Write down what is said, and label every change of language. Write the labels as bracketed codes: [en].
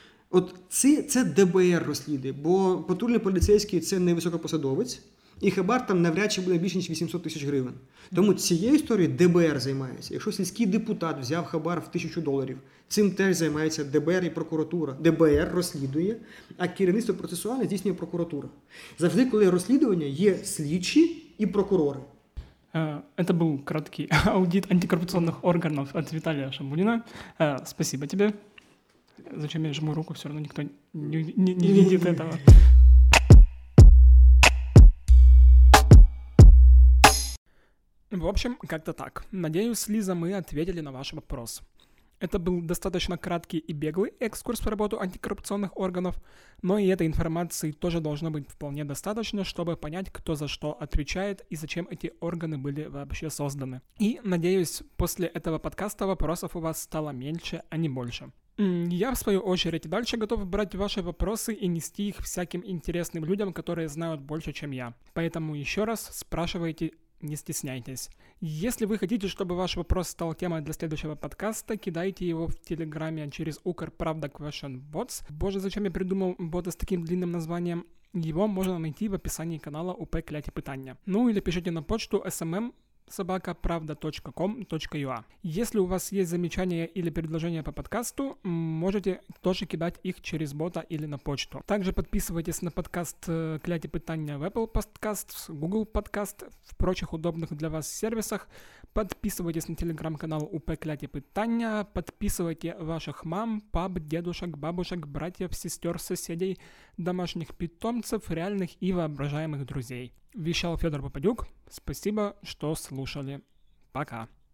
[uk] От це ДБР розслідує, бо патрульний поліцейський – це не високопосадовець, і хабар там навряд чи буде більше, ніж 800 тисяч гривень. Тому цією історією ДБР займається. Якщо сільський депутат взяв хабар в $1000, цим теж займається ДБР і прокуратура. ДБР розслідує, а керівництво процесуальне здійснює прокуратура. Завжди, коли розслідування, є слідчі і прокурори. [ru] Это был краткий аудит антикоррупционных органов от Виталия Шамбулина. Спасибо тебе. Зачем я жму руку? Все равно никто не видит этого. В общем, как-то так. Надеюсь, Лиза, мы ответили на ваш вопрос. Это был достаточно краткий и беглый экскурс по работе антикоррупционных органов, но и этой информации тоже должно быть вполне достаточно, чтобы понять, кто за что отвечает и зачем эти органы были вообще созданы. И, надеюсь, после этого подкаста вопросов у вас стало меньше, а не больше. Я, в свою очередь, дальше готов брать ваши вопросы и нести их всяким интересным людям, которые знают больше, чем я. Поэтому еще раз спрашивайте, не стесняйтесь. Если вы хотите, чтобы ваш вопрос стал темой для следующего подкаста, кидайте его в Телеграме через Укр Правда Question Bots. Боже, зачем я придумал бота с таким длинным названием? Его можно найти в описании канала УП Клять и Пытания. Ну или пишите на почту smm@pravda.com.ua. Если у вас есть замечания или предложения по подкасту, можете тоже кидать их через бота или на почту. Также подписывайтесь на подкаст «Клятие питания» в Apple Podcasts, Google Podcasts, в прочих удобных для вас сервисах. Подписывайтесь на телеграм-канал УП «Клятие питания». Подписывайте ваших мам, пап, дедушек, бабушек, братьев, сестер, соседей, домашних питомцев, реальных и воображаемых друзей. Вещал Федор Попадюк. Спасибо, что слушали. Пока.